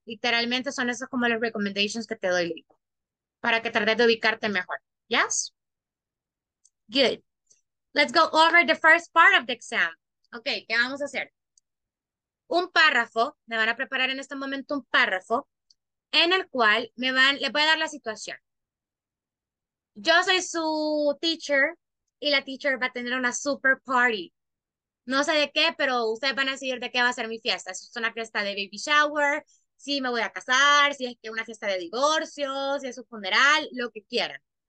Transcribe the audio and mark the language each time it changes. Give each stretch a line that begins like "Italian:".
Spanish: Literalmente son esos como los recommendations que te doy para que trates de ubicarte mejor.
English: Yes? Good. Let's go over the first part of the exam.
Spanish: Ok, ¿qué vamos a hacer? Un párrafo, me van a preparar en este momento un párrafo en el cual les voy a dar la situación. Yo soy su teacher y la teacher va a tener una super party. No sé de qué, pero ustedes van a decidir de qué va a ser mi fiesta. Si es una fiesta de baby shower, si me voy a casar, si es que una fiesta de divorcio, si es un funeral, lo que quieran.